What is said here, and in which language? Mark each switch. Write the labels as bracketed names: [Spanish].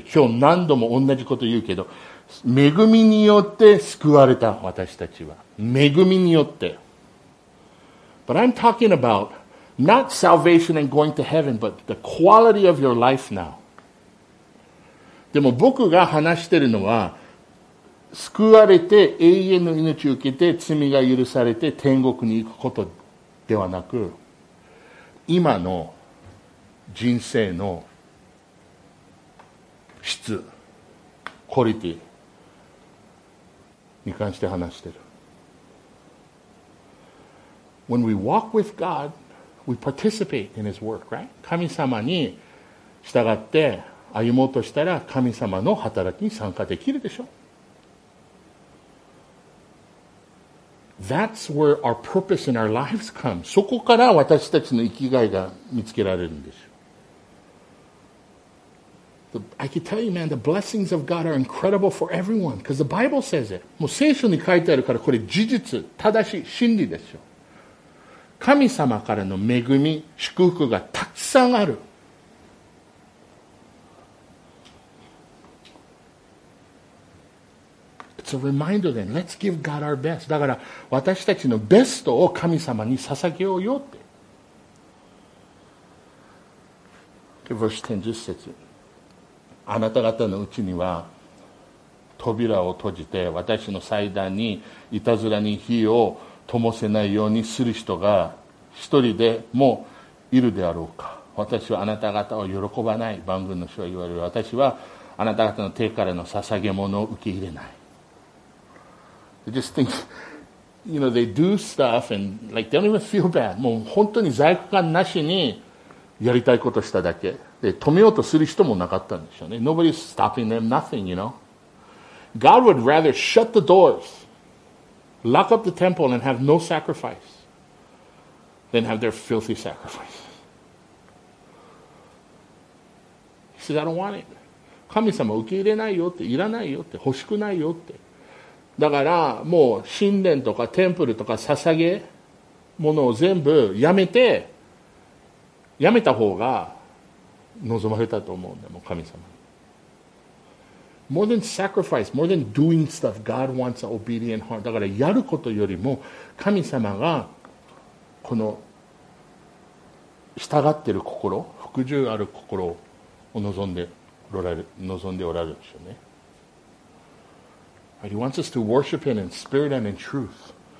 [Japanese] 今日何度も同じこと言うけど、恵みによって救われた私たちは。恵みによって。 [English] But I'm talking about not salvation and going to heaven, but the quality of your life now. [Japanese] でも僕が話しているのは、救われて永遠の命を受けて罪が許されて天国に行くことではなく、今の人生の質、クオリティに関して話している。 [English] When we walk with God, we participate in His work, right? [Japanese] 神様に従って歩もうとしたら神様の働きに参加できるでしょ? [English] That's where our purpose in our lives comes. [Japanese] そこから私たちの生きがいが見つけられるんですよ。 [English] I can tell you, man, the blessings of God are incredible for everyone. Because the Bible says it. [Japanese] もう聖書に書いてあるからこれ事実、正しい真理ですよ。神様からの恵み、祝福がたくさんある。 [English] It's a reminder then. Let's give God our best. [Japanese] だから私たちのベストを神様に捧げようよって。 [English] Verse 10, 10節。 [Japanese] あなた方のうちには扉を閉じて私の祭壇にいたずらに火を灯せないようにする人が一人でもいるであろうか。私はあなた方を喜ばない。万軍の主は言われる。私はあなた方の手からの捧げ物を受け入れない。 [English] They just think, you know, they do stuff and like they don't even feel bad. [Japanese] もう本当に罪悪感なしにやりたいことしただけ。で止めようとする人もなかったんでしょうね。 [English] Nobody's stopping them, nothing, you know. God would rather shut the doors, lock up the temple and have no sacrifice than have their filthy sacrifice. He says, I don't want it. [Japanese] 神様受け入れないよって、いらないよって、欲しくないよって。だからもう神殿とかテンプルとか捧げ物を全部やめて、やめた方が望まれたと思うんだよ、神様。 [English] More than sacrifice, more than doing stuff, God wants an obedient heart. [Japanese] だからやることよりも、神様がこの従っている心、服従ある心を望んでおられ、望んでおられるんでしょうね。 [English] He wants us to worship Him in spirit and in truth.